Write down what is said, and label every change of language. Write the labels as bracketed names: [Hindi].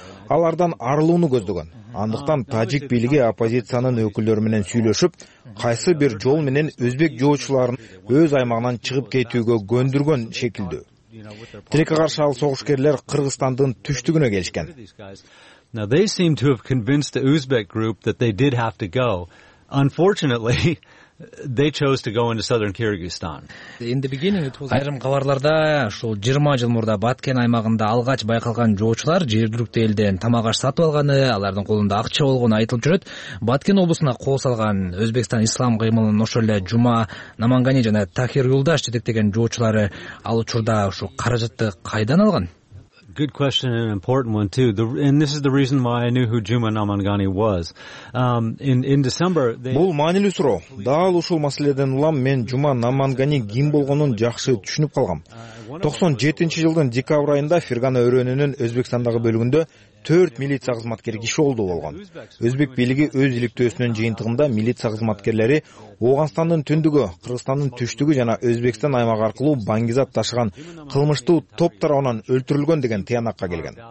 [Kyrgyz] Алардан арылууну көздөгөн. Андыктан тажик бийлиги оппозициянын өкүлдөрү менен сүйлөшүп, кайсы бир жол менен өзбек жоочуларын өз аймагынан чыгып кетүүгө көндүргөн шекилдүү. Тилекке каршы ал согушкерлер Кыргызстандын түштүгүнө келишкен. [English] Now they seem to have convinced the Uzbek group that they did have to go. Unfortunately, they chose to go into southern Kyrgyzstan. In the beginning it was [Kyrgyz] айрым кабарларда ошол 20 жыл мурда Баткен аймагында алгач байкалган жоочулар жергиликтүү элден тамак аш сатып алганы, алардын колунда акча болгону айтылып жүрөт. Баткен облусуна кол салган Өзбекстан ислам кыймылынын ошол эле Жума Намангани жана Тахир Юлдаш жетектеген жоочулары ал учурда ушул каражатты кайдан алган? [English] Good question and an important one too. And this is the reason why I knew who Juma Namangani was. In December, [Kyrgyz] бул маанилүү суроо. Дал ушул маселеден улам мен Juma Namangani ким болгонун жакшы түшүнүп калгам. 97-жылдын декабрь айында Фергана өрөөнүнүн Өзбекстандагы бөлүгүндө 4 милиция кызматкери киши олду болгон. Өзбек бийлиги өз иликтөөсүнүн жыйынтыгында милиция кызматкерлери Ооганстандын түндүгү, Кыргызстандын түштүгү жана Өзбекстан аймагы аркылуу баңгизат ташыган кылмыштуу топ тарабынан өлтүрүлгөн деген тыянакка келген.